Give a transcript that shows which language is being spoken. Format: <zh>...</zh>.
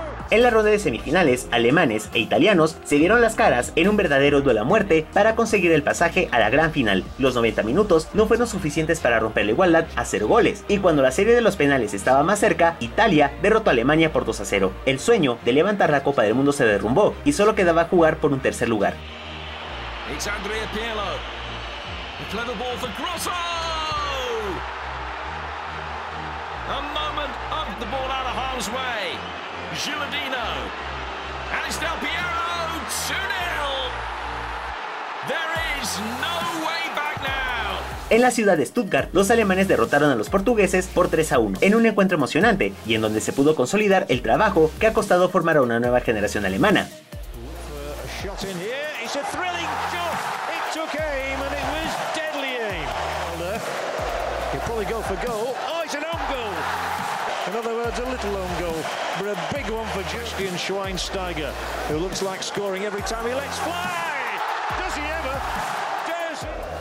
<es>En la ronda de semifinales, alemanes e italianos se dieron las caras en un verdadero duelo a muerte para conseguir el pasaje a la gran final. Los 90 minutos no fueron suficientes para romper la igualdad a 0 goles, y cuando la serie de los penales estaba más cerca, Italia derrotó a Alemania por 2-0. El sueño de levantar la Copa del Mundo se derrumbó y solo quedaba jugar por un tercer lugar.</es> <en>It's Andrea Pirlo. A clever ball for Grosso. A moment of the ball out of harm's way. Gilardino, and it's Del Piero, 2-0. There is no way back now.</en> <es>En la ciudad de Stuttgart, los alemanes derrotaron a los portugueses por 3-1, en un encuentro emocionante y en donde se pudo consolidar el trabajo que ha costado formar a una nueva generación alemana.</es> <en>shot in here. It's a thrilling shot. It took aim and it was deadly aim. Wilder could probably go for goal. Oh, it's an own goal. In other words, a little own goal, but a big one for Justian Schweinsteiger, who looks like scoring every time he lets fly. Does he ever? Does he?</en>